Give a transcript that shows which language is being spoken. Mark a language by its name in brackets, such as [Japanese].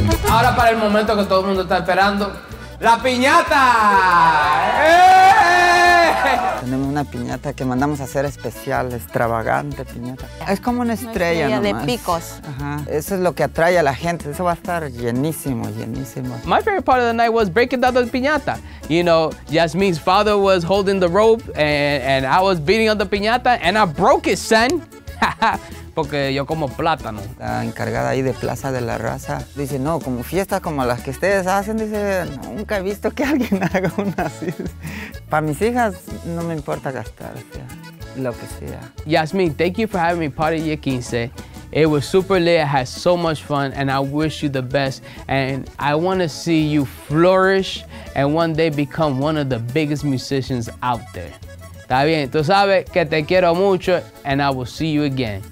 [Spanish] Ahora para el momento que todo el mundo está esperando, ¡la piñata! Tenemos una piñata que mandamos a hacer especial, extravagante piñata. Es como una estrella, una estrella nomás. De picos. Ajá. Eso es lo que atrae a la gente. Eso va a estar llenísimo, llenísimo. [English] My favorite part of the night was breaking down the piñata. You know, Yasmin's father was holding the rope and I was beating on the piñata and I broke it, son. [Spanish] Porque yo como plátano. La encargada ahí de Plaza de la Raza dice, no, como fiestas como las que ustedes hacen, dice, nunca he visto que alguien haga una así. Para mis hijas no me importa gastar, o sea, lo que sea. [English] Yasmin, thank you for having me part of your 15. It was super lit, I had so much fun, and I wish you the best. And I want to see you flourish and one day become one of the biggest musicians out there. [Spanish] Está bien, tú sabes que te quiero mucho, [English] and I will see you again.